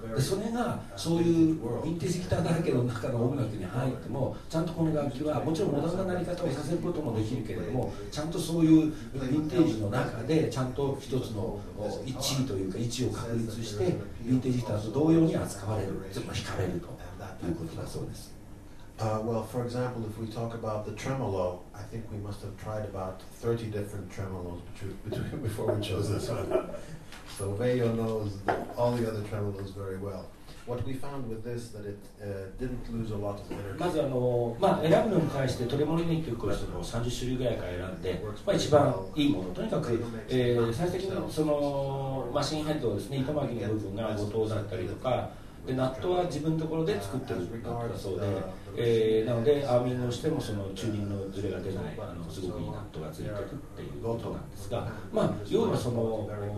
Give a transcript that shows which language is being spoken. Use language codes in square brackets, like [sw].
[ja] でそれがそういうヴィンテージギターだらけの中の音楽に入ってもちゃんとこの楽器はもちろんモダンななり方をさせることもできるけれども、ちゃんとそういうヴィンテージの中でちゃんと一つの一位というか位置を確立してヴィンテージギターと同様に扱われる、つまり惹かれるということだそうです。 [en] Well, for example, if we talk about the tremolo, I think we must have tried about 30 different tremolos before we chose this one. So Veijo knows all the other tremolos very well. What we found with this, that it didn't lose a lot of energy. [ja] まず、まあ、選ぶのに対してトレモリニというクラスの30種類ぐらいから選んで、まあ、一番いいもの、とにかく、最終的にそのマシンヘッドですね、糸巻きの部分が後藤だったりとか、でナットは自分のところで作ってるんだそうで、なのでアーミングをしてもそのチューニングのズレが出ない、すごくいいナットがついてるっていうことなんですが、まあ、要はその